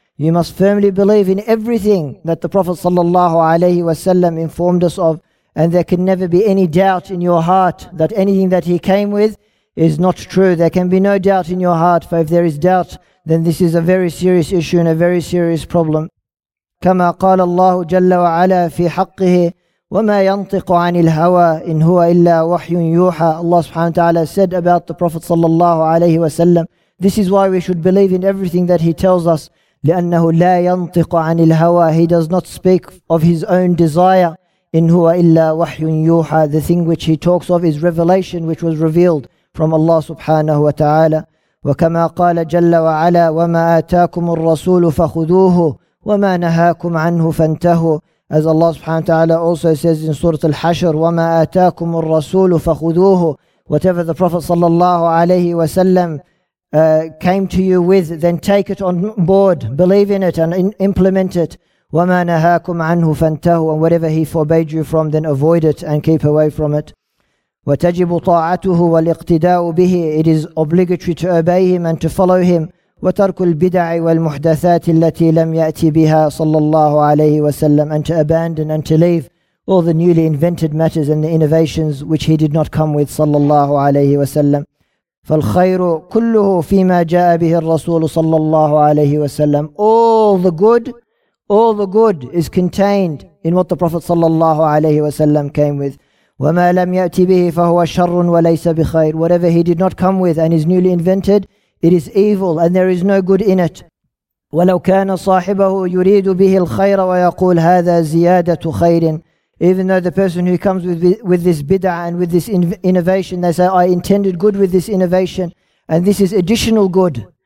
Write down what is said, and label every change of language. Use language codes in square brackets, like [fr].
[en] You must firmly believe in everything that the Prophet sallallahu alaihi wasallam informed us of, and there can never be any doubt in your heart that anything that he came with is not true. There can be no doubt in your heart, for if there is doubt, then this is a very serious issue and a very serious problem. [ar] كما قال الله جل وعلا في حقه وما ينطق عن الهوى إن هو إلا وحي يوحى. [en] Allah subhanahu wa ta'ala said about the Prophet sallallahu alaihi wasallam, this is why we should believe in everything that he tells us. [ar] لأنه لا ينطق عن الهوى. [en] He does not speak of his own desire. [ar] إن هو إلا وحي يوحى. [en] The thing which he talks of is revelation which was revealed from Allah subhanahu wa ta'ala. [ar] وكما قال جل وعلا وما آتاكم الرسول فخذوه وما نهاكم عنه فانتهوا. [en] As Allah subhanahu wa ta'ala also says in Surah Al-Hashr, [ar] وما آتاكم الرسول فخذوه. [en] Whatever the Prophet صلى الله عليه وسلم came to you with, then take it on board, believe in it and implement it. [ar] وَمَا نَهَاكُمْ عَنْهُ فَانْتَهُوا. [en] And whatever he forbade you from, then avoid it and keep away from it. [ar] وَتَجِبُ طَاعَتُهُ وَالْإِقْتِدَاءُ بِهِ. [en] It is obligatory to obey him and to follow him. [ar] وَتَرْكُ الْبِدَعِ وَالْمُحْدَثَاتِ الَّتِي لَمْ يَأْتِ بِهَا صَلَّى اللَّهُ عَلَيْهِ وَسَلَّمُ. [en] And to abandon and to leave all the newly invented matters and the innovations which he did not come with صلى الله عليه وسلم. [ar] فالخير كله فيما جاء به الرسول صلى الله عليه وسلم. [en] All the good is contained in what the Prophet صلى الله عليه وسلم came with. [ar] وما لم يأتي به فهو شر وليس بخير. [en] Whatever he did not come with and is newly invented, it is evil and there is no good in it. [ar] ولو كان صاحبه يريد به الخير ويقول هذا زيادة خير. [en] Even though the person who comes with this bid'ah and with this innovation, they say, I intended good with this innovation, and this is additional good.